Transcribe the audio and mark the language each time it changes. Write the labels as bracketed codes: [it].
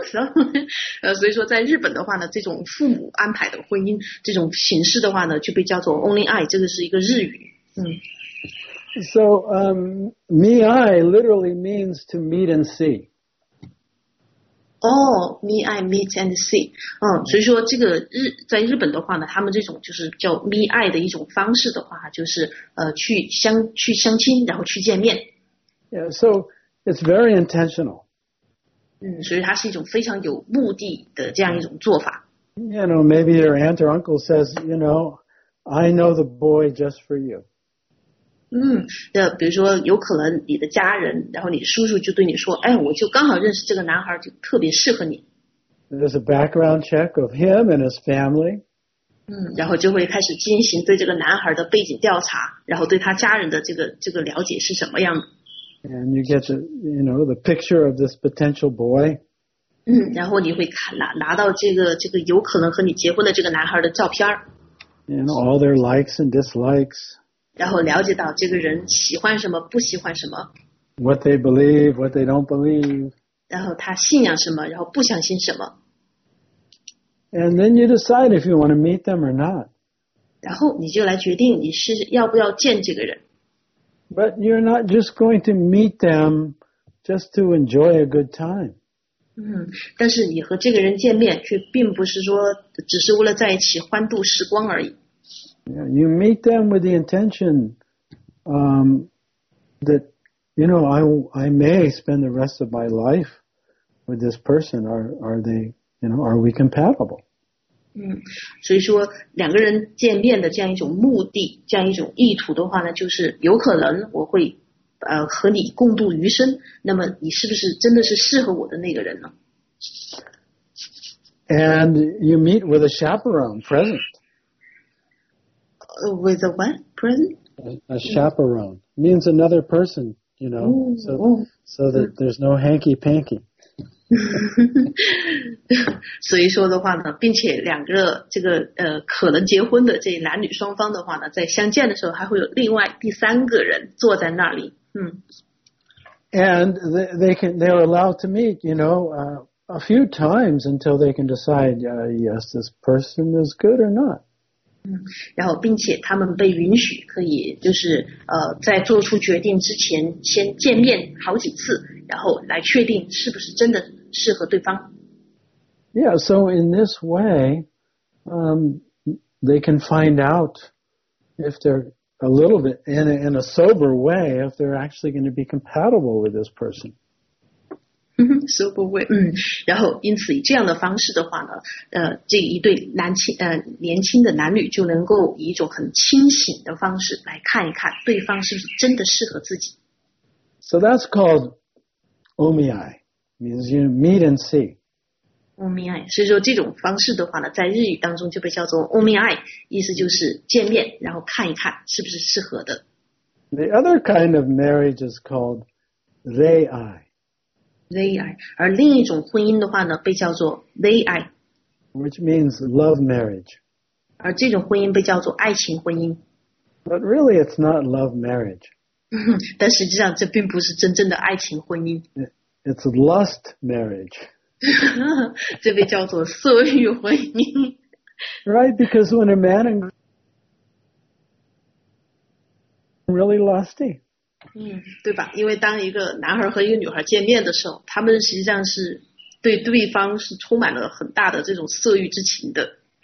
[en] So, [zh] 所以说在日本的话呢，这种父母安排的婚姻这种形式的话呢，就被叫做 omiai, 这个是一个日语。 [en] So, miai literally means to meet and see. Oh, miai, meet and see. [zh] 所以说这个在日本的话呢，他们这种就是叫 miai 的一种方式的话，就是去相亲，然后去见面。 [en] Yeah, so,It's very intentional. [zh] 所以它是一种非常有目的的这样一种做法。 [en] You know, maybe your aunt or uncle says, you know, I know the boy just for you. [zh] 比如说有可能你的家人，然后你叔叔就对你说，哎，我就刚好认识这个男孩，就特别适合你。 [en] There's a background check of him and his family. [zh] 然后就会开始进行对这个男孩的背景调查，然后对他家人的这个了解是什么样的。 [en] And you get the, you know, the picture of this potential boy. [zh] 然后你会拿到这个有可能和你结婚的这个男孩的照片。 [en] And all their likes and dislikes. [zh] 然后了解到这个人喜欢什么，不喜欢什么。 [en] What they believe, what they don't believe. [zh] 然后他信仰什么，然后不相信什么。 [en] And then you decide if you want to meet them or not. [zh] 然后你就来决定你是要不要见这个人。 [en] But you're not just going to meet them just to enjoy a good time. [zh] 但是你和这个人见面却并不是说只是为了在一起欢度时光而已。 [en] Yeah, you meet them with the intention, that, you know, I may spend the rest of my life with this person. Are we compatible? [zh] 所以说两个人见面的这样一种目的，这样一种意图的话呢，就是有可能我会和你共度余生，那么你是不是真的是适合我的那个人呢？ [en] And you meet with a chaperone present. With a what? Present? A chaperone means another person, you know, so that there's no hanky-panky. [zh] 所以说的话呢，并且两个这个可能结婚的这男女双方的话呢，在相见的时候还会有另外第三个人坐在那里。 [en] And they're allowed to meet, you know, a few times until they can decide, yes, this person is good or not. [zh] 然后并且他们被允许可以就是在做出决定之前先见面好几次。然后来确定是不是真的适合对方。 [en] Yeah, so in this way, they can find out if they're a little bit in a sober way if they're actually going to be compatible with this person. Sober way. [zh] 然后因此以这样的方式的话呢，这一对年轻的男女就能够以一种很清醒的方式来看一看对方是不是真的适合自己。 [en] So that's called. Omiai means you meet and see. [zh] Omiai, 所以说这种方式的话呢，在日语当中就被叫做 Omiai, 意思就是见面，然后看一看是不是适合的。 [en] The other kind of marriage is called they I. [zh] They I. 而另一种婚姻的话呢被叫做 they I. [en] Which means love marriage. [zh] 而这种婚姻被叫做爱情婚姻。 [en] But really it's not love marriage. [zh] 但实际上这并不是真正的爱情婚姻。 [en] It's lust marriage. [zh] 这被叫做色欲婚姻。 [en] Right, because when a man and girl really lusty. [zh] 嗯，对吧？因为当一个男孩和一个女孩见面的时候，他们实际上是对对方是充满了很大的这种色欲之情的。